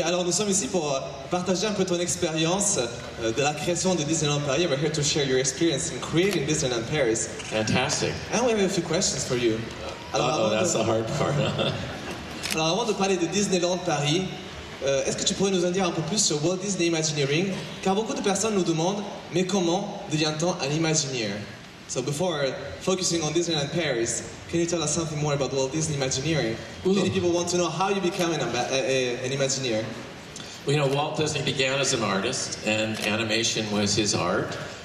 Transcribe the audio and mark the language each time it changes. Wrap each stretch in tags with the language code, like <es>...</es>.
<fr>Alors nous sommes ici pour partager un peu ton expérience de la création de Disneyland Paris.</fr> <en>We're here to share your experience in creating Disneyland Paris. Fantastic. And we have a few questions for you. The hard part.</en> <fr>Alors avant de parler de Disneyland Paris, est-ce que tu pourrais nous en dire un peu plus sur Walt Disney Imagineering? Car beaucoup de personnes nous demandent, mais comment devient-on un Imagineer?</fr> <en>So before focusing on Disneyland Paris, can you tell us something more about Walt Disney Imagineering? Ooh. Many people want to know how you become an Imagineer. Well, you know, Walt Disney began as an artist, and animation was his art.</en>